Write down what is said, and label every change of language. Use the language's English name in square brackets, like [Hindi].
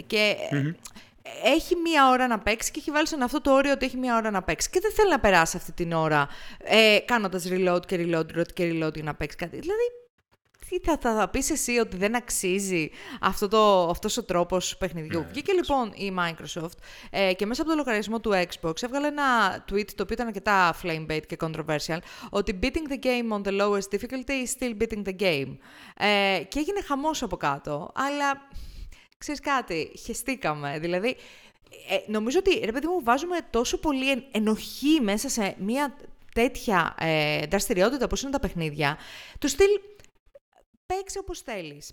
[Greek] Και έχει μία ώρα να παίξει και έχει βάλει στον αυτό το όριο ότι έχει μία ώρα να παίξει. Και δεν θέλει να περάσει αυτή την ώρα κάνοντας reload και reload, reload και reload για να παίξει κάτι. Δηλαδή, τι θα πεις εσύ ότι δεν αξίζει αυτός ο τρόπος παιχνιδιού? Βγήκε λοιπόν η Microsoft και μέσα από το λογαριασμό του Xbox έβγαλε ένα tweet το οποίο ήταν αρκετά flame bait και controversial, ότι [English] beating the game on the lowest difficulty is still beating the game. [Greek] Και έγινε χαμός από κάτω, αλλά... Ξέρεις κάτι, χεστήκαμε. Δηλαδή, νομίζω ότι, ρε παιδί μου, βάζουμε τόσο πολύ ενοχή μέσα σε μια τέτοια δραστηριότητα όπως είναι τα παιχνίδια, το στυλ Παίξε όπως θέλεις.